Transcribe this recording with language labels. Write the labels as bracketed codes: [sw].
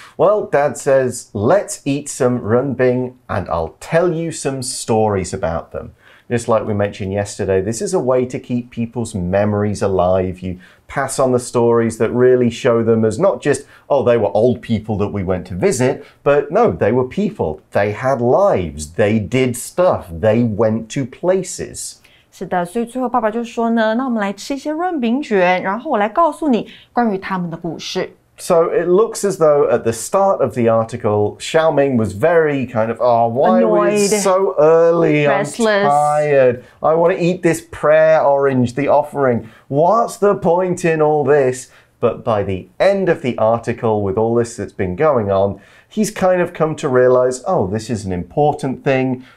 [en] Well, Dad says, let's eat some runbing and I'll tell you some stories about them. Just like we mentioned yesterday, this is a way to keep people's memories alive. You pass on the stories that really show them as not just, oh, they were old people that we went to visit, but no, they were people. They had lives. They did stuff. They went to places. [zh] 是的，所以最后爸爸就说呢，那我们来吃一些润饼卷，然后我来告诉你关于他们的故事。 [en] So it looks as though at the start of the article, Xiaoming was very kind of, oh, why annoyed, are we so early? Restless. I'm tired. I want to eat this prayer orange, the offering. What's the point in all this? But by the end of the article, with all this that's been going on,He's kind of come to realize, oh, this is an important thing.